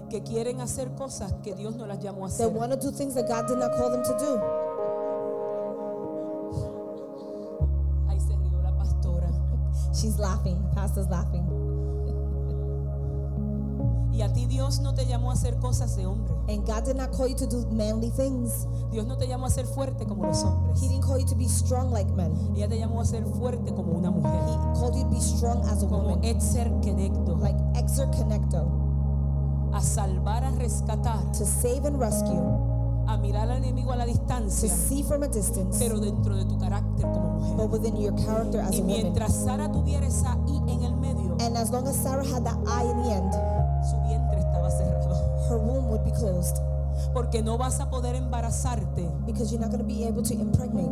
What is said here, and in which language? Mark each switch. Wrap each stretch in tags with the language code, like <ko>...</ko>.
<es>que quieren hacer cosas que Dios no las llamó a hacer.</es> <en>They want to do things that God did not call them to do.</en> <es>Ahí se rió la pastora.</es> <en>She's laughing. Pastor's laughing.</en> <es>Y a ti Dios no te llamó a hacer cosas de hombre.</es> <en>And God did not call you to do manly things.</en> <es>Dios no te llamó a ser fuerte como los hombres.</es> <en>He didn't call you to be strong like men.</en> <es>Ella te llamó a ser fuerte como una mujer.</es> <en>He called you to be strong as a</en> <es>como</es> <en>woman.</en> <es>Como Etzer Kenecto.</es> <en>Like Etzer Kenecto.</en> <es>A salvar, a rescatar.</es> <en>To save and rescue.</en> <es>A mirar al enemigo a la distancia.</es> <en>To see from a distance.</en> <es>Pero dentro de tu carácter como mujer.</es> <en>But within your character as a woman.</en> <es>Y mientras Sara tuviera esa I en el medio.</es> <en>And as long as Sarah had that I in the end.</en> <es>Su vientre estaba cerrado.</es> <en>Her womb would be closed.</en> <es>Porque no vas a poder embarazarte,</es> <en>because you're not going to be able to impregnate,</en>